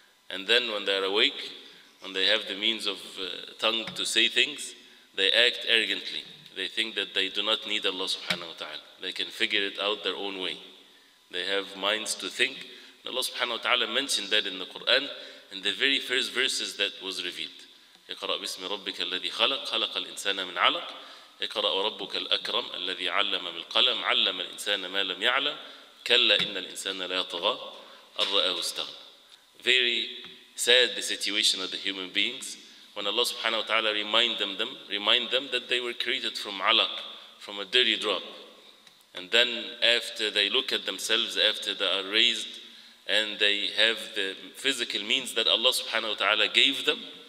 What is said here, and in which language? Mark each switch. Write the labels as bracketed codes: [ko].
[en] And then when they are awake, when they have the means of tongue to say things, they act arrogantly. They think that they do not need Allah subhanahu wa ta'ala. They can figure it out their own way. They have minds to think. And Allah subhanahu wa ta'ala mentioned that in the Quran, in the very first verses that was revealed. [ar] اقرأ باسم ربك الذي خلق خلق الإنسان من علق اقرأ وربك الأكرم الذي علم بالقلم علم الإنسان ما لم يعلم كلا إن الإنسان لا يطغى أرآه استغنى. [en] Very sad the situation of the human beings when Allah subhanahu wa ta'ala remind them that they were created from alaq, from a dirty drop. And then after they look at themselves, after they are raised and they have the physical means that Allah subhanahu wa ta'ala gave them,